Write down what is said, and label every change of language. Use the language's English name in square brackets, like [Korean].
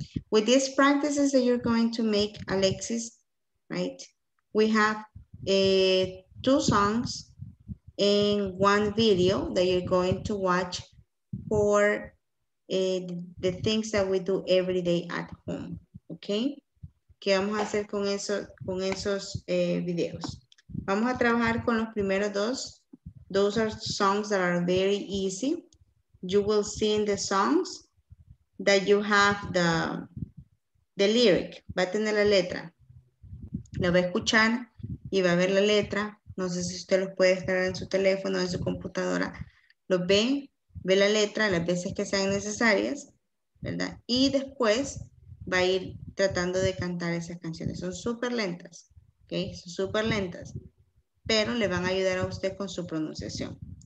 [English] With these practices that you're going to make, Alexis, right? We have 2 songs and 1 video that you're going to watch for the things that we do every day at home. Okay? [Spanish] ¿Qué vamos a hacer con eso, con esos videos? Vamos a trabajar con los primeros dos. [English] Those are songs that are very easy. You will see in the songs that you have the lyric. [Spanish] Va a tener la letra. La va a escuchar y va a ver la letra. No sé si usted los puede descargar en su teléfono o en su computadora. Lo ve, ve la letra las veces que sean necesarias, ¿verdad? Y después va a ir tratando de cantar esas canciones. Son súper lentas, ¿ok? Son súper lentas. Pero le van a ayudar a usted con su pronunciación.